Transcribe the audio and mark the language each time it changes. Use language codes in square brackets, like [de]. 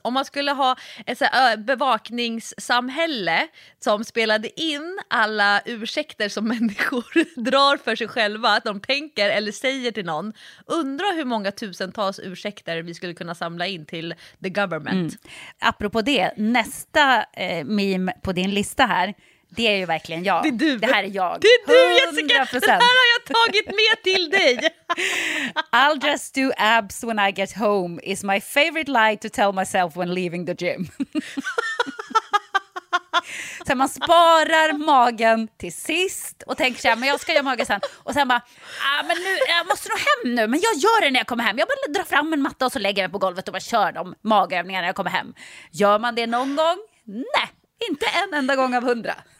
[sv] Om man skulle ha ett så här bevakningssamhälle som spelade in alla ursäkter som människor drar för sig själva, att de tänker eller säger till någon. Undrar hur många tusentals ursäkter vi skulle kunna samla in till [en] the government. [sv] Mm. Apropå det, nästa meme på din lista här, det är ju verkligen jag. Det är du. Det här är jag. Det är du, 100%. Jessica. Det här har jag tagit med till dig. [en] I'll just do abs when I get home is my favorite lie to tell myself when leaving the gym. [sv] Så man sparar magen till sist och tänker sig, men jag ska göra magen sen. Och sen bara, men nu, jag måste nog hem nu, men jag gör det när jag kommer hem. Jag bara drar fram en matta och så lägger jag mig på golvet och bara kör de magövningarna när jag kommer hem. Gör man det någon gång? Nej. Inte en enda gång av 100.